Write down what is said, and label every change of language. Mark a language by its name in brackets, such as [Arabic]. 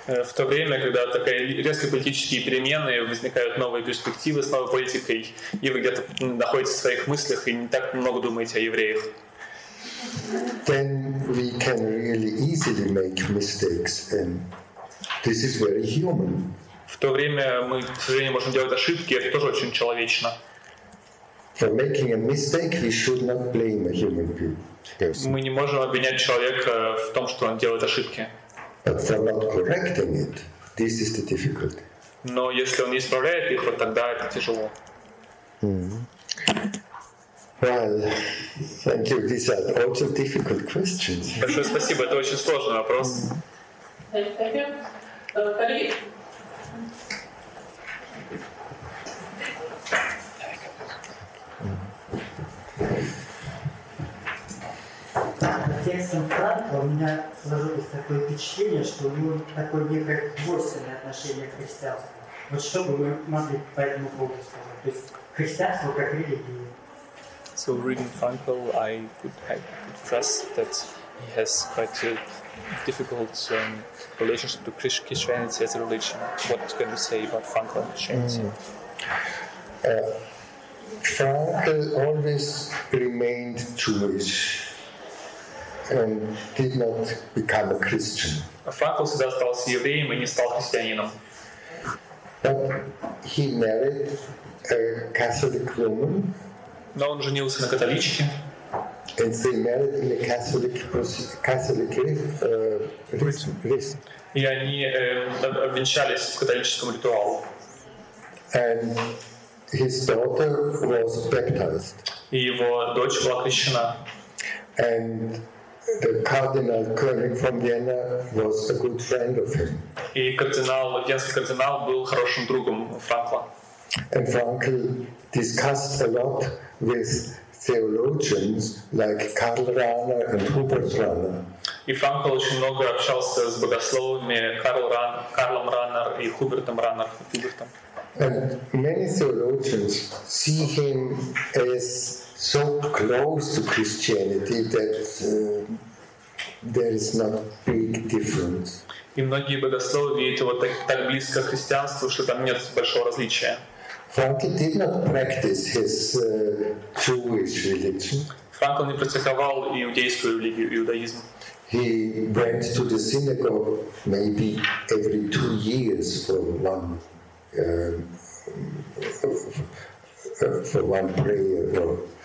[Russian] В то время, когда такие резкие политические перемены, возникают новые перспективы с новой политикой, и вы где-то находитесь в своих мыслях и не так много думаете о евреях. [English] Then we can really easily make mistakes, and this is very human. [Russian] В то время мы, к сожалению, можем делать ошибки, это тоже очень человечно. [English] For making a mistake, we should not blame a human being. [Russian] Мы не можем обвинять человека в том, что он делает ошибки. [English] But for not correcting it, this is the difficulty. [Russian] Но если он не исправляет их, вот тогда это тяжело. [English] Well, thank you. These are also difficult questions. [Russian] Большое спасибо. Это очень сложный вопрос. [English] Thank you. [Russian] Коллеги, есть ли сложилось такое впечатление, что у него такое некое двойственное отношение к христианству? Вот что бы мы могли по этому поводу сказать? То есть христианство как религия. [English] So reading Frankl, I could trust that he has quite a difficult relationship to Christianity as a religion. What can you say about Frankl and Christianity? Frankl always remained Jewish and did not become a Christian. [Russian] Frankl всегда остался евреем и не стал христианином. [English] But he married a Catholic woman. [Russian] Но он женился на католичке. [English] And they married in a Catholic ritual. [Russian] И они обвенчались в католическом ритуале. [English] And his daughter was baptized. [Russian] И его дочь была крещена. [English] And the cardinal coming from Vienna was a good friend of him. [Russian] И кардинал, венский кардинал, был хорошим другом Франкла. [English] And Frankl discussed a lot with theologians like Karl Rahner and Hubert Rahner. [Russian] И Франкл очень много общался с богословами Карлом Раннер и Хубертом Раннер. [English] And many theologians see him as so close to Christianity that there is not big difference. [Russian] И многие богословы видят его так близко к христианству, что там нет большого различия. [English] Frankl did not practice his Jewish religion. [Russian] Франкл не практиковал иудейскую религию, иудаизм. [English] He went to the synagogue maybe every 2 years for one prayer.